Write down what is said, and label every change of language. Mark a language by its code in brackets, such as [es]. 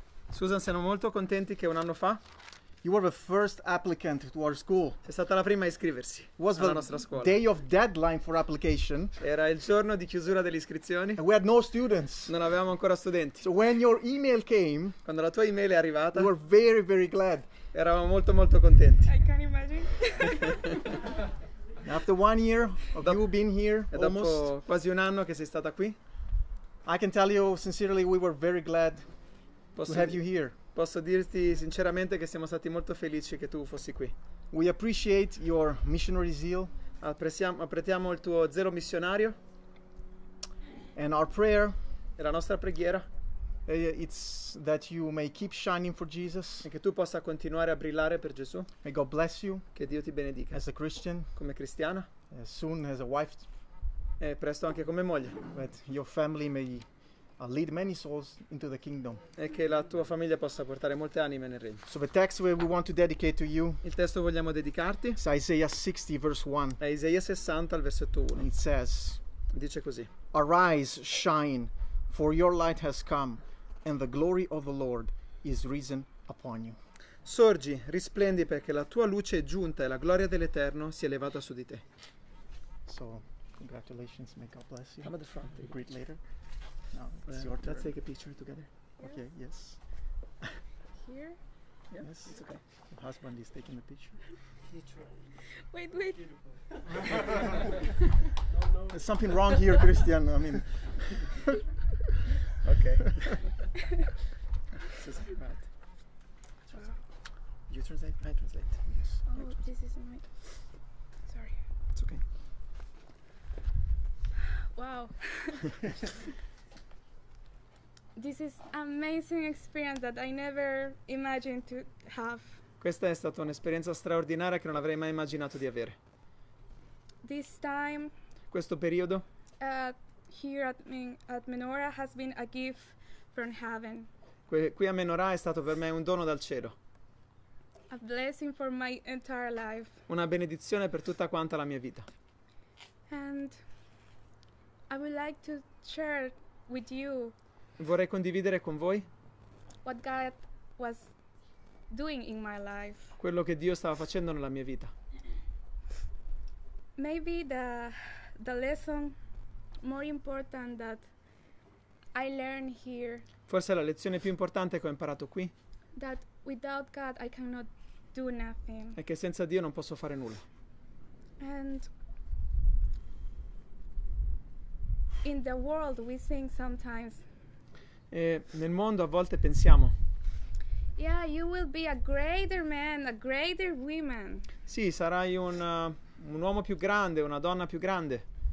[it] Susan, siamo molto contenti che un anno fa. [en] You were the first applicant to our school. [it] Sei stata la prima a iscriversi alla nostra scuola. [en] Was the day of deadline for application. [it] Era il giorno di chiusura delle iscrizioni. [en] And we had no students. [it] Non avevamo ancora studenti. [en] So when your email came, [it] quando la tua email è arrivata, [en] we were very, very glad. [it] Eravamo molto, molto contenti. [en] I can imagine. After 1 year of you being here, [it] e dopo [en] almost, [it] quasi un anno che sei stata qui, [en] I can tell you sincerely, we were very glad to have you here. [it] Posso dirti sinceramente che siamo stati molto felici che tu fossi qui. [en] We appreciate your missionary zeal. [it] Apprezziamo il tuo zelo missionario. [en] And our prayer. [it] E la nostra preghiera. [en] It's that you may keep shining for Jesus. [it] E che tu possa continuare a brillare per Gesù. [en] May God bless you. [it] Che Dio ti benedica. [en] As a Christian. [it] Come cristiana. [en] As soon as a wife. [it] E presto anche come moglie. [en] But your family may lead many souls into the kingdom. [it] E che la tua famiglia possa portare molte anime nel regno. [en] So the text we want to dedicate to you. [it] Il testo vogliamo dedicarti. [en] Is Isaiah 60 verse 1. [it] È Isaia 60 al versetto 1. [en] It says. [it] Dice così. [en] Arise, shine, for your light has come, and the glory of the Lord is risen upon you. [it] Sorgi, risplendi, perché la tua luce è giunta e la gloria dell'Eterno si è elevata su di te. [en] So, congratulations. May God bless you. Come at the front. We'll greet later. No, it's your turn. Let's take a picture together. Okay, yes. Here? Yeah, yes, it's okay. Your husband is taking a picture. Wait, wait. There's something wrong here, Christian. I mean. Okay. This is right. You translate? I translate. Yes. Oh, this is my. Sorry. It's okay. wow. This is amazing experience that I never imagined to have. [it] Questa è stata un'esperienza straordinaria che non avrei mai immaginato di avere. [en] This time, [it] questo periodo, [en] here at Menorah has been a gift from heaven. [it] Qui a Menorah è stato per me un dono dal cielo. [en] A blessing for my entire life. [it] Una benedizione per tutta quanta la mia vita. [en] And I would like to share with you. [it] Vorrei condividere con voi [en] what God was doing in my life. [it] Quello che Dio stava facendo nella mia vita. [en] Maybe the lesson more important that I learned here. [it] Forse la lezione più importante che ho imparato qui. [en] That without God I cannot do nothing. [it] È che senza Dio non posso fare nulla. [en] And in the world we sing sometimes. [it] E nel mondo a volte pensiamo. [en] Yeah, you will be a greater man, a greater woman. [it] Sì, sarai un uomo più grande, una donna più grande.